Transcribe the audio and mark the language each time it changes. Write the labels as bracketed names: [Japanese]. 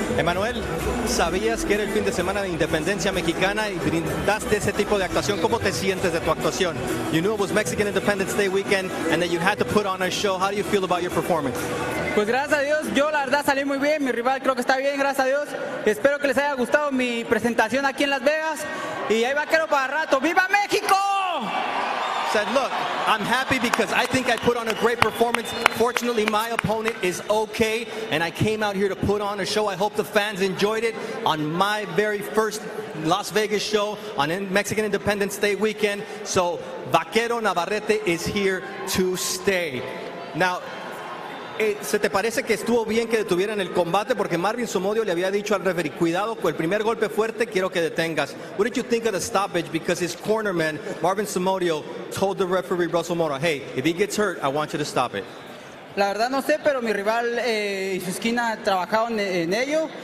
[Spanish] Emanuel, sabías que era el fin de semana de Independencia Mexicana y brindaste ese tipo de actuación. ¿Cómo te sientes de tu actuación? [English] You knew it was Mexican Independence Day weekend and that you had to put on a show. How do you feel about your performance? [Spanish] Pues gracias a Dios, yo la verdad salí muy bien. Mi rival creo que está bien, gracias a Dios. Espero que les haya gustado mi presentación aquí en Las Vegas. Y ahí va quiero para rato. ¡Viva México! [English] Said, look, I'm happy because I think I put on a great performance. Fortunately, my opponent is okay, and I came out here to put on a show. I hope the fans enjoyed it on my very first Las Vegas show on Mexican Independence Day weekend. So, Vaquero Navarrete is here to stay. [Spanish] Now, ¿se te parece que estuvo bien que detuvieran el combate? Porque Marvin Somodio le había dicho al referee, cuidado, con el primer golpe fuerte quiero que detengas. [English] What did you think of the stoppage? Because his corner man, Marvin Somodio, told the referee, Russell Mora, hey, if he gets hurt, I want you to stop it. [Spanish] La verdad no sé, pero mi rival y su esquina trabajaron en ello.